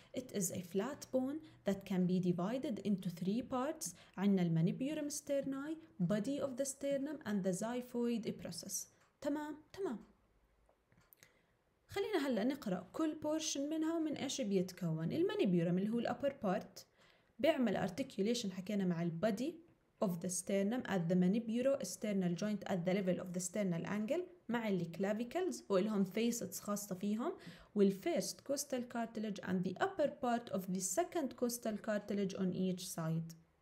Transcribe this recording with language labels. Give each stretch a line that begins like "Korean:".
English: It is a flat bone that can be divided into three parts.
Arabic: عنا المانيبيورم ستيرناي،
English: body of the sternum and the xiphoid process.
Arabic: تمام. خلينا هلا نقرأ كل portion منها ومن ايش بيتكون. المانيبيورم اللي هو ال
English: upper part
Arabic: بيعمل
English: articulation
Arabic: حكينا مع ال
English: body of the sternum at the manubrio sternal joint at the level of the sternal angle
Arabic: مع اللي
English: clavicles
Arabic: وإلهم
English: facets
Arabic: خاصة فيهم،
English: والfirst costal cartilage and the upper part of the second costal cartilage on each side.